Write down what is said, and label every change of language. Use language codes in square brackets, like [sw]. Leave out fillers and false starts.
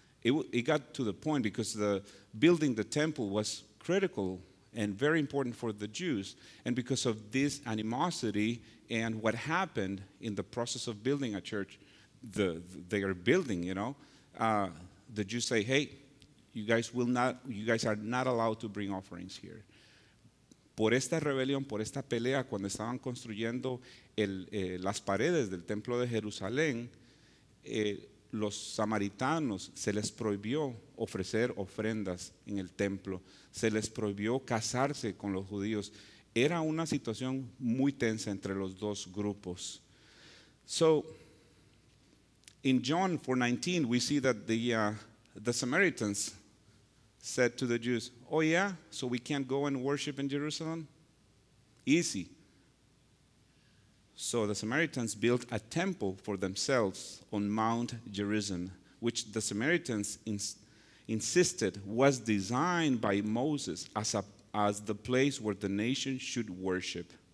[en] It got to the point, because the building the temple was critical and very important for the Jews, and because of this animosity and what happened in the process of building a church, they are building, you know, the Jews say, hey, you guys are not allowed to bring offerings here. [es] Por esta rebelión, por esta pelea, cuando estaban construyendo las paredes del templo de Jerusalén, los samaritanos se les prohibió ofrecer ofrendas en el templo, se les prohibió casarse con los judíos. Era una situación muy tensa entre los dos grupos. [en] So, in John 4:19, we see that the Samaritans said to the Jews, oh yeah, so we can't go and worship in Jerusalem? Easy. So the Samaritans built a temple for themselves on Mount Gerizim, which the Samaritans insisted was designed by Moses as the place where the nation should worship.